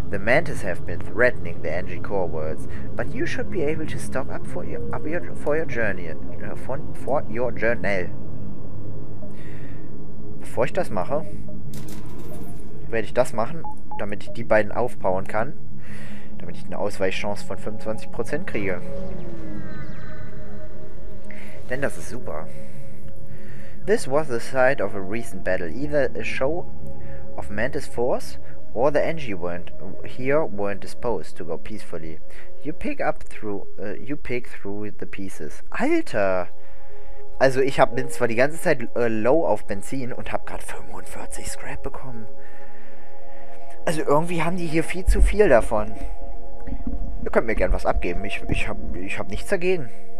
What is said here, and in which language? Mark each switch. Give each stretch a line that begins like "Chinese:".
English: The Mantis have been threatening the Engie Core Worlds, but you should be able to stock up for your journey.
German: Bevor ich das mache, werde ich das machen, damit ich die beiden aufbauen kann, damit ich eine Ausweichchance von 25% kriege. Denn das ist super.
English: This was the site of a recent battle, either a show of Mantis Force or the Engie weren't disposed to go peacefully. You pick through the pieces. Alter!
German: Also ich bin zwar die ganze Zeit low auf Benzin und habe gerade 45 Scrap bekommen. Also irgendwie haben die hier viel zu viel davon. Ihr könnt mir gern was abgeben. Ich hab nichts dagegen.